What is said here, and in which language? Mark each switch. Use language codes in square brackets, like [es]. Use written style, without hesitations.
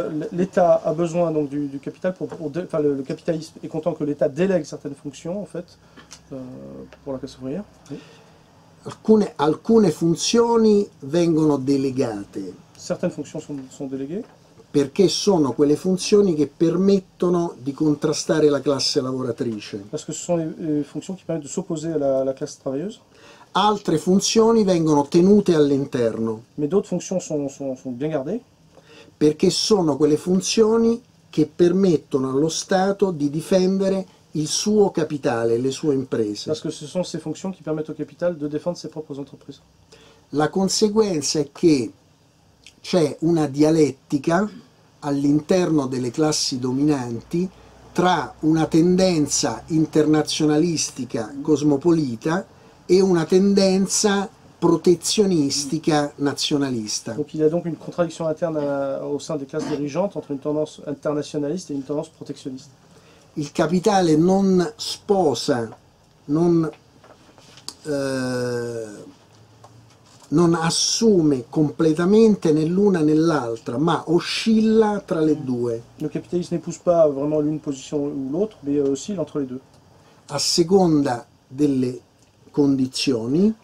[fr] L'État a besoin donc du capital le capitalisme est content que l'État délègue certaines fonctions en fait pour la classe ouvrière. [it] Alcune funzioni vengono delegate. [fr] Certaines fonctions sont déléguées. [it] Perché sono quelle funzioni che permettono di contrastare la classe lavoratrice. [fr] Parce que ce sont les fonctions qui permettent de s'opposer à la classe travailleuse. [it] Altre funzioni vengono tenute all'interno. [fr] Mais d'autres fonctions sont bien gardées. [it] Perché sono quelle funzioni che permettono allo Stato di difendere il suo capitale, le sue imprese. [fr] Parce que ce sont ces fonctions qui permettent au capital de défendre ses propres entreprises. [it] La conseguenza è che c'è una dialettica all'interno delle classi dominanti tra una tendenza internazionalistica cosmopolita e una tendenza protezionistica nazionalista. [fr] Donc il y a donc une contradiction interne au sein des classes dirigeantes entre une tendance internationaliste et une tendance protectionniste. [it] Il capitale non sposa, non assume completamente nell'una né nell'altra, ma oscilla tra le due. [fr] Le capitalisme n'épouse pas vraiment l'une position ou l'autre, mais oscille entre les deux. [it] A seconda delle condizioni.